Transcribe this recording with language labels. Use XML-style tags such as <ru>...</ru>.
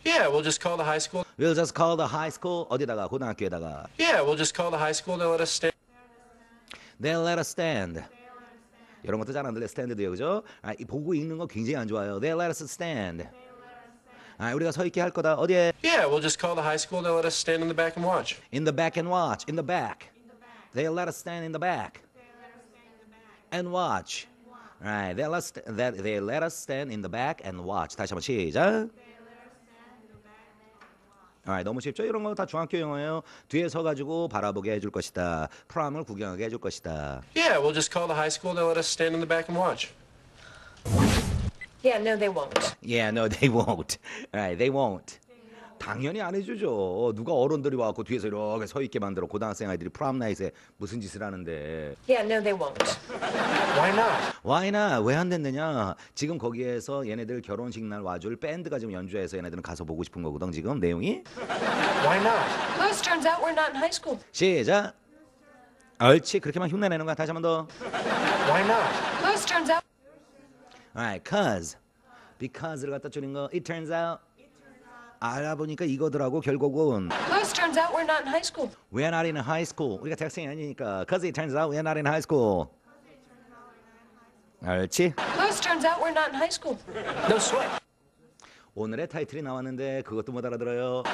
<en>Yeah, we'll just call the high school. We'll just call the high school. 어디다가? 고등학교에다가. Yeah, we'll just call the high school. They'll let us stay.</en> <ko>They'll let us stand. 이런 것도 잘 안 들려. 스탠드도요, 그죠? 아, 보고 읽는 거 굉장히 안 좋아요.</ko> <en>They'll let us stand.</en> <ko>아, 우리가 서 있게 할 거다. 어디에?</ko> <en>Yeah, we'll just call the high school. They'll let us stand in the back and watch. In the back and watch. In the back. They'll let us stand in the back. And watch. Right. They'll let us stand in the back and watch.</en> <ko>다시 한번 시작. Alright, 너무 쉽죠? 이런 거 다 중학교 영어예요. 뒤에 서가지고 바라보게 해줄 것이다. 프롬을 구경하게 해줄 것이다.</ko> <en>Yeah, we'll just call the high school. They'll let us stand in the back and watch. Yeah, no, they won't. Yeah, no, they won't. Alright, they won't. 당연히 안 해주죠.</en> <ko>누가 어른들이 와갖고 뒤에서 이렇게 서 있게 만들어 고등학생 아이들이 프롬 나이트에 무슨 짓을 하는데.</ko> <en>Yeah, no, they won't. Why not?</en> <ko>Why not? 왜 안 됐느냐? 지금 거기에서 얘네들 결혼식 날 와줄 밴드가 지금 연주해서 얘네들은 가서 보고 싶은 거거든 지금 내용이.</ko> <en>Why not? Well, it turns out we're not in high school.</en> <ko>시작. 얼치 그렇게 막 흉내내는 거야 다시 한 번 더.</ko> <en>Why not? Well, it turns out. Alright, cause. Because를 갖다 줄인 거. It turns out.</en> <ko>알아보니까 이거더라고 결국은</ko> <en>Because it turns out we're not in high school. We're not in high school. 우리가 대학생이 아니니까 Because it turns out we're not in high school. 알지? Because it turns out we're not in high school. No sweat.</en> <ko>오늘의 타이틀이 나왔는데 그것도 못 알아들어요.</ko>